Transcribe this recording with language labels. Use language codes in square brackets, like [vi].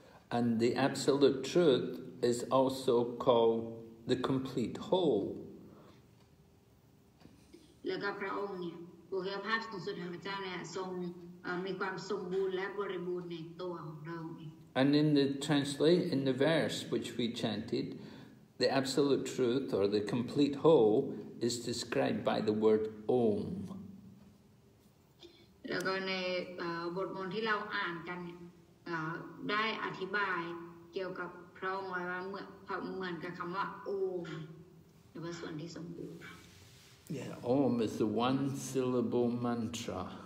[en] And the absolute truth is also called the complete whole. [th] แล้วก็พระองค์เนี่ยบุคลิกภาพสูงสุดของพระเจ้าเนี่ยทรงมีความสมบูรณ์และบริบูรณ์ในตัวของเราเอง [en] And in the translate in the verse which we chanted, the absolute truth or the complete whole is described by the word Om. [th] แล้วก็ในบทมนต์ที่เราอ่านกันเนี่ยได้อธิบายเกี่ยวกับพระองค์ไว้ว่าเหมือนกับคำว่าโอมหรือว่าส่วนที่สมบูรณ์ [en] Yeah, Om is the one syllable mantra.